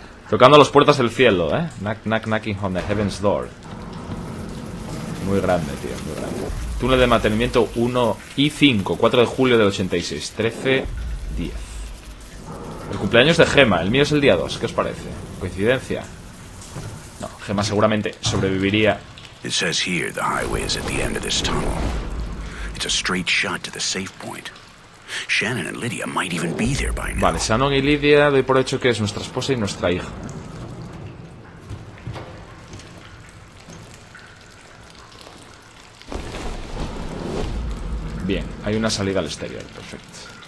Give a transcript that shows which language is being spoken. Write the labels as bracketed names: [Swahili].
[Spanish] Tocando las puertas del cielo, ¿eh? [English] Knock, knock, knocking on the Heaven's Door. [Spanish] Muy grande, tío. Muy grande. Túnel de mantenimiento 1 y 5. 4 de julio del 86. 13, 10. El cumpleaños de Gema. El mío es el día 2. ¿Qué os parece? ¿Coincidencia? No, Gema seguramente sobreviviría. [English] It says here the highway is at the end of this tunnel. It's a straight shot to the safe point. Shannon and Lydia might even be there by now. [Spanish] Vale, Shannon y Lydia, doy por hecho que es nuestra esposa y nuestra hija. Bien, hay una salida al exterior, perfecto.